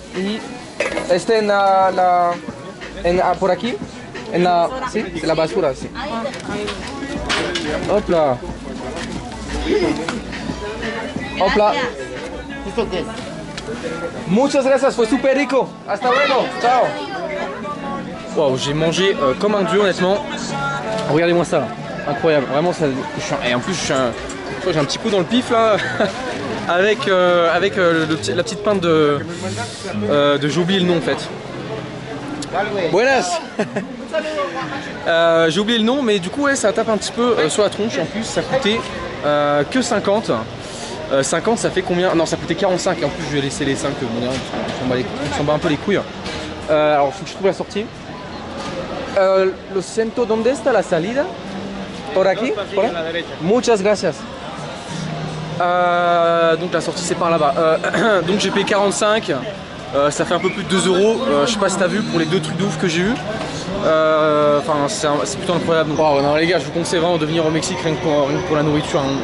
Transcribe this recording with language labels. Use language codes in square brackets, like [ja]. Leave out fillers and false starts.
[es] Y este en la en por aquí en la sí, [fr] c'est la [es] basura, sí. [fr] Hop là. Hop là. [es] Muchas gracias, fue super rico. Hasta luego. Chao. [fr] Wow, j'ai mangé comme un dieu, honnêtement. Regardez-moi ça. Incroyable, vraiment ça. Et en plus, j'ai un petit coup dans le pif là. avec la petite pinte de. J'ai oublié le nom en fait. [es] Buenas! [fr] J'ai oublié le nom, mais du coup, ouais, ça tape un petit peu sur la tronche. En plus, ça coûtait que 50. 50, ça fait combien? Non, ça coûtait 45. Et en plus, je vais laisser les 5. Bon, on s'en bat un peu les couilles. Alors, faut que je trouve la sortie. [es] Lo siento, ¿dónde está la salida? Por aquí, por ahí. Muchas gracias. [fr] Donc la sortie c'est par là-bas. Donc j'ai payé 45. Ça fait un peu plus de 2 euros. Je sais pas si t'as vu pour les deux trucs de ouf que j'ai eu. Enfin, c'est plutôt incroyable. Donc. Wow, non, les gars, je vous conseille vraiment de venir au Mexique rien que pour la nourriture. Hein.